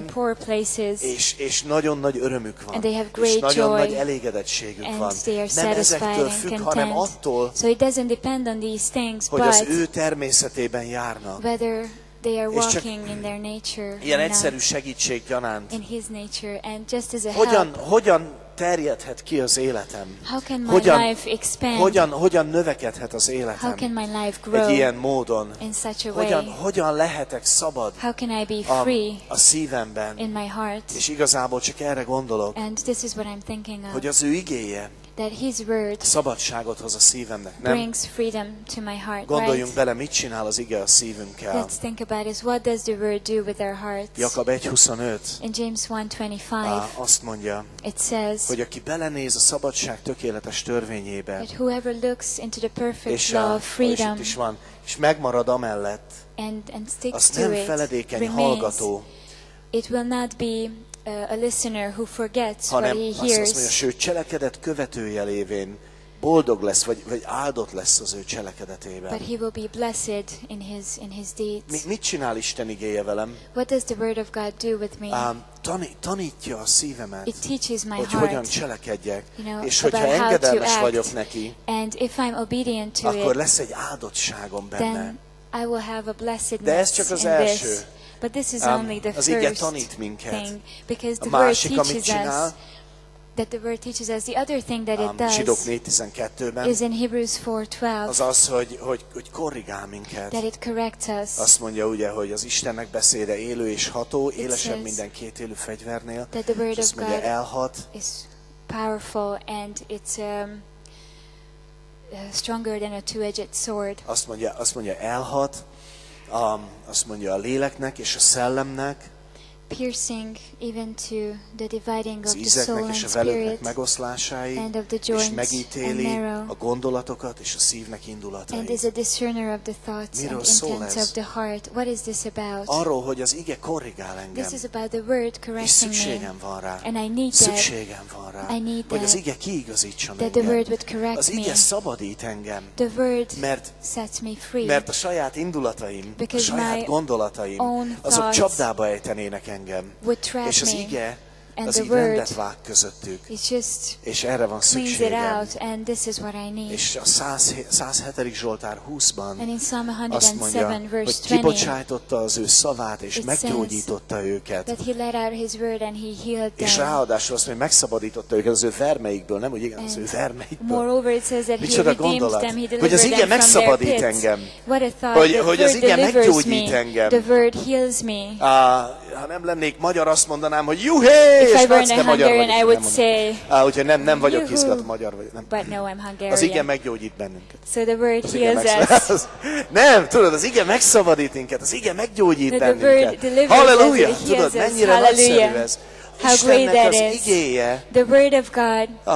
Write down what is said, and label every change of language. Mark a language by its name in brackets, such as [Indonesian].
[English] in poor places, [Hungarian] és nagyon nagy örömük van, [English] and they have great [Hungarian] és nagyon [English] joy, [Hungarian] nagy elégedettségük [English] and [Hungarian] van. [English] They are [Hungarian] nem ezektől függ, hanem attól, [English] so it doesn't depend on these things, [Hungarian] hogy az ő természetében járnak. [English] Whether they are walking in their nature, [Hungarian] ilyen egyszerű segítség gyanánt. [English] In his nature and just as a help. [Hungarian] Hogyan terjedhet ki az életem? Hogyan [English] life expand? [Hungarian] Hogyan növekedhet az életem? [English] How can my life grow? [Hungarian] Egy ilyen módon. [English] In such a way. [Hungarian] Hogyan lehetek szabad? [English] How can I be free? [Hungarian] A szívemben. [English] In my heart. [Hungarian] És igazából csak erre gondolok. [English] And this is what I'm thinking of. [Hungarian] Hogy az ő igéje. [English] That his word [Hungarian] szabadságot hoz a szívemnek, nem? [English] Brings freedom to my heart. [Hungarian] Gondoljunk [English] right? [Hungarian] bele, mit csinál az ige a szívünkkel. [English] Let's think about it. What does the word do with our hearts? [Hungarian] Jakab 1:25. [English] In James 1:25. [Hungarian] Azt mondja. [English] It says. [Hungarian] Hogy aki belenéz a szabadság tökéletes törvényébe. [English] That whoever looks into the perfect law of freedom. [Hungarian] És itt is van. És megmarad amellett. [English] And sticks to it. [Hungarian] Azt nem feledékeny hallgató. [English] It will not be a listener who forgets what he hears. [Hungarian] Hanem az, hogy a cselekedet követője lévén boldog lesz, vagy áldott lesz az ő cselekedetében. [English] But he will be blessed in his deeds. [Hungarian] Mit csinál Isten igéje velem? [English] What does the word of God do with me? [Hungarian] Tanítja a szívemet. [English] It teaches my [Hungarian] hogy [English] heart. [Hungarian] Hogyan cselekedjek, [English] you know, [Hungarian] és hogyha engedelmes vagyok neki. [English] And if I'm obedient to [Hungarian] akkor [English] it, [Hungarian] lesz egy áldottságom benne. [English] Then I will have a blessedness. [Hungarian] De ez csak az [English] in [Hungarian] első. [English] This. But this is only the [Hungarian] az [English] first [Hungarian] ige tanít minket. [English] Thing, because the word teaches us. That the word teaches us the other thing that it does. [Hungarian] Zsidók 4:12-ben [English] is in Hebrews 4:12. [Hungarian] Az, hogy korrigál minket. [English] That it corrects us. [Hungarian] Azt mondja ugye, hogy az Istennek beszéde élő és ható, élesebb minden két élő fegyvernél. [English] That the word of [Hungarian] mondja, [English] God [Hungarian] elhat. [English] Is powerful and it's stronger than a two-edged sword. [Hungarian] Azt mondja elhat. Azt mondja a léleknek és a szellemnek. [English] Piercing even to the dividing of the soul and spirit, [Hungarian] megoszlásáig, [English] and of the joints [Hungarian] és megítéli [English] and marrow, [Hungarian] a gondolatokat és a szívnek indulatait. [English] And is a discerner of the thoughts and intents of the heart. What is this about? [Hungarian] Arról, hogy az ige korrigál engem. [English] This is about the word correcting me. And I need [Hungarian] szükségem van rá. [English] I need [Hungarian] hogy az ige kiigazítson engem. [English] That the word would correct me. [Hungarian] Az ige szabadít engem. [English] The word sets me free. [Hungarian] Mert a saját indulataim, a saját gondolataim, azok csapdába ejtenének engem, [English] would trap [Hungarian] és az ige [English] and [Hungarian] az így rendet vág közöttük, [English] just [Hungarian] és erre van szükségem. [English] Out, and this is what I need. [Hungarian] És a 107. Zsoltár 20-ban [English] and in Psalm 107, [Hungarian] azt mondja, [English] verse 20, [Hungarian] hogy kibocsájtotta az ő szavát, és meggyógyította őket. [English] That he let out his word and he healed them. [Hungarian] És ráadásul azt mondja, megszabadította őket az ő vermeikből, nem úgy igen, az ő vermeikből. [English] Moreover, it says that [Hungarian] micsoda [English] he redeemed them, he delivered them. [Hungarian] Hogy az ige megszabadít engem. [English] What a thought, [Hungarian] hogy az ige meggyógyít [English] me. [Hungarian] Engem. [English] The word heals me. [Hungarian] Ha nem lennék magyar, azt mondanám, hogy juhéj! [English] If I were in a Hungarian, I would say, [Hungarian] úgyhogy nem vagyok izgat magyar. Vagy, nem. [English] But no, I'm Hungarian. [Hungarian] Az ige meggyógyít bennünket. [English] So the word heals us. [Hungarian] Nem, tudod, az ige megszabadít minket, az ige meggyógyít bennünket. [English] The word delivers [Hungarian] hallelujah! [English] Us, [Hungarian] tudod, mennyire nagyszerű ez. [English] How great that is. [Hungarian] Istennek az igéje [English] the word of God